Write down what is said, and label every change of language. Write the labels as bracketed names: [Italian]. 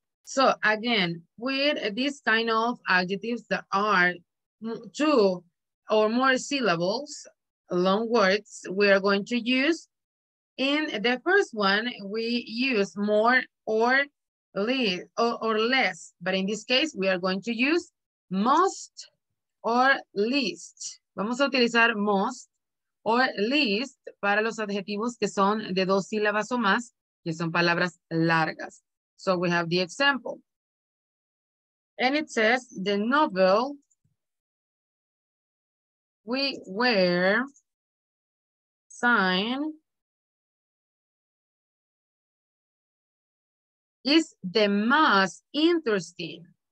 [English] So again, with this kind of adjectives that are two or more syllables, long words, we are going to use. In the first one, we use more or least or less, but in this case, we are going to use most or least. [Spanish] Vamos a utilizar most or least para los adjetivos que son de dos sílabas o más, que son palabras largas. [English] So we have the example. And it says the novel we were signed is the most interesting.